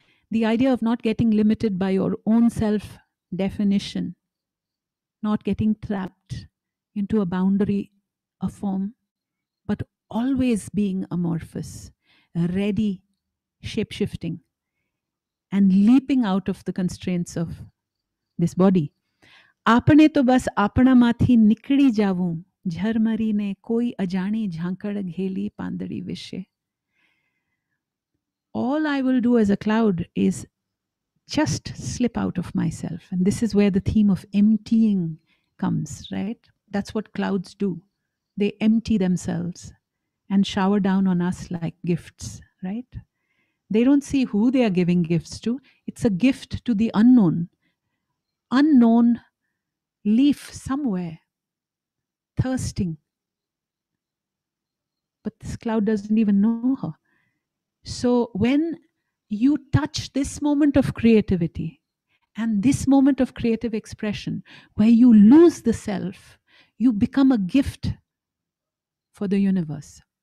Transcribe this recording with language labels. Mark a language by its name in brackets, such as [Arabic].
[English] The idea of not getting limited by your own self definition, not getting trapped into a boundary, a form, but always being amorphous, ready, shape shifting, and leaping out of the constraints of this body. [Gujarati] આપણે તો બસ આપણામાંથી નીકળી જાવું ઝરમરીને કોઈ અજાણી ઝાંકડ ઘેલી પાંદડી વિશે. [English] All I will do as a cloud is just slip out of my self and this is where the theme of emptying comes right. That's what clouds do, they empty themselves and shower down on us like gifts right. They don't see who they are giving gifts to. It's a gift to the unknown, unknown leaf somewhere thirsting, but this cloud doesn't even know her. So when you touch this moment of creativity and this moment of creative expression where you lose the self, you become a gift for the universe.